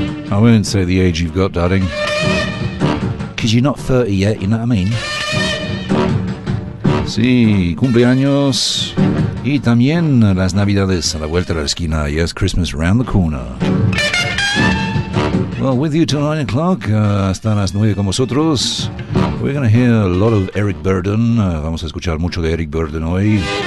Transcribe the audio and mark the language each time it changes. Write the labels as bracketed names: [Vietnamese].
[English] I won't say the age you've got, darling. Because you're not 30 yet, you know what I mean? [Spanish] Sí, cumpleaños. Y también las Navidades a la vuelta de la esquina. [English] Yes, Christmas around the corner. Well, with you till 9 o'clock. [Spanish] Hasta las 9 con vosotros. [English] We're going to hear a lot of Eric Burdon. [Spanish] Vamos a escuchar mucho de Eric Burdon hoy.